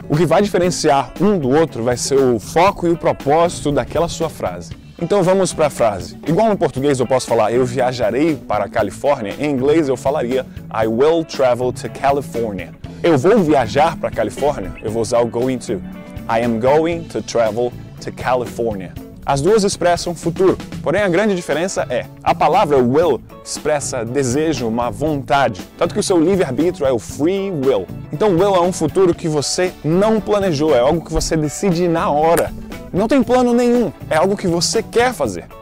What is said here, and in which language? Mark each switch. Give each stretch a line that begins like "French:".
Portuguese: O que vai diferenciar um do outro vai ser o foco e o propósito daquela sua frase. Então vamos para a frase. Igual no português eu posso falar eu viajarei para a Califórnia, em inglês eu falaria
English: I will travel to California.
Portuguese: Eu vou viajar para a Califórnia, eu vou usar o going to.
English: I am going to travel to California.
Portuguese: As duas expressam futuro, porém a grande diferença é a palavra will expressa desejo, uma vontade, tanto que o seu livre-arbítrio é o free will. Então will é um futuro que você não planejou, é algo que você decide na hora. Não tem plano nenhum, é algo que você quer fazer.